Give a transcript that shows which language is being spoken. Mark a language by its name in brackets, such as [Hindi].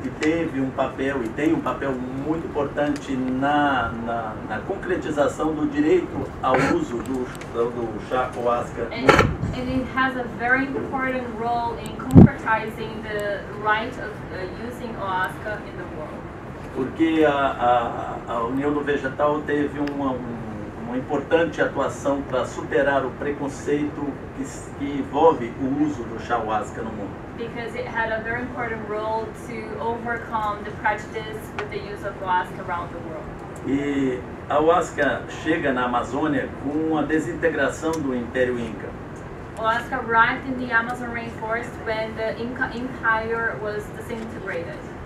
[Portuguese] E tem um papel muito importante na concretização do direito ao uso do chá OASCA. [English] And it has a very important role in concretizing the right of using OASCA in the world. [Portuguese] Porque a União do Vegetal teve uma importante atuação para superar o preconceito que envolve o uso do chá OASCA no mundo. [English] Because it had a very important role to overcome the prejudice with the use of OASCA around the world. [Portuguese] E a OASCA chega na Amazônia com a desintegração do Império Inca. [English] OASCA arrived in the Amazon rainforest when the Inca Empire was disintegrated.